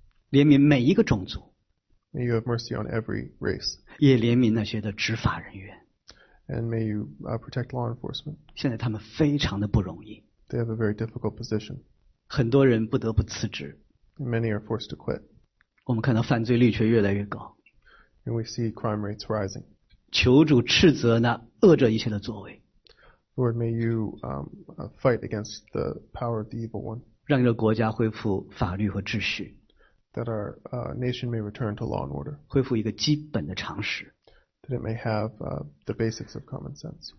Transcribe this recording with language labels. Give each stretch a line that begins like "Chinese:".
Chinese: 怜悯每一个种族。
English: May you have mercy on every race.
Chinese: 也怜悯那些的执法人员。
English: And may you protect law enforcement.
Chinese: 现在他们非常的不容易。
English: They have a very difficult position.
Chinese: 很多人不得不辞职。
English: And many are forced to quit.
Chinese: 我们看到犯罪率却越来越高。
English: And we see crime rates rising.
Chinese: 求主斥责那恶者一切的作为。
English: Lord, may you fight against the power of the evil one.
Chinese: 让你的国家恢复法律和秩序。
English: That our nation may return to law and order.
Chinese: 恢复一个基本的常识。
English: That it may have the basics of common sense.